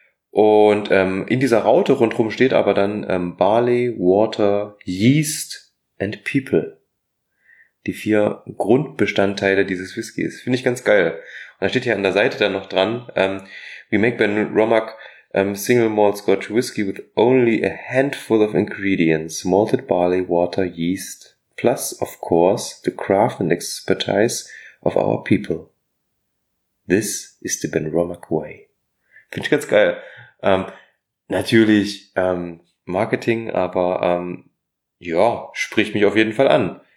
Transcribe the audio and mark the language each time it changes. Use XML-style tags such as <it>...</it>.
<de>Und in dieser Raute rundherum steht aber dann</de> <en>Barley, Water, Yeast and People.</en> <de>Die vier Grundbestandteile dieses Whiskys. Finde ich ganz geil. Und da steht hier an der Seite dann noch dran,</de> <en>we make Ben Romach single malt Scotch Whisky with only a handful of ingredients. Malted barley, water, yeast. Plus, of course, the craft and expertise of our people. This is the Ben Romach way.</en> <de>Finde ich ganz geil. Natürlich Marketing, aber ja, spricht mich auf jeden Fall an.</de>